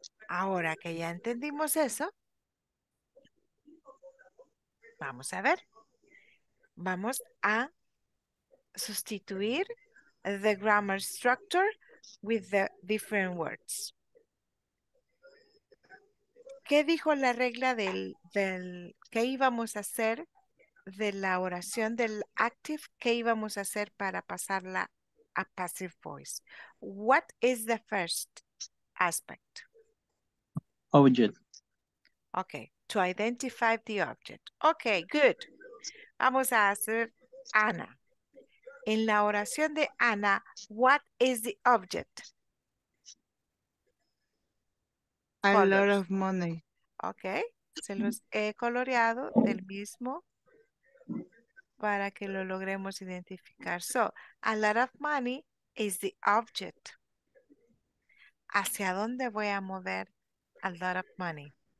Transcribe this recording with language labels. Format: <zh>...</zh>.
<es>Ahora que ya entendimos eso, vamos a ver. vamos a sustituir</es> <en>the grammar structure with the different words.</en> <es>¿Qué dijo la regla qué íbamos a hacer de la oración del active? ¿Qué íbamos a hacer para pasarla a passive voice?</es> <en>What is the first aspect? Object. Okay, to identify the object. Okay, good.</en> <es>Vamos a hacer Ana. En la oración de Ana,</es> <en>what is the object? A colors. Lot of money.</en> <es>Okay, se los he coloreado del mismo para que lo logremos identificar.</es> <en>So, a lot of money is the object.</en> <es>¿Hacia dónde voy a mover</es> <en>a lot of money?</en>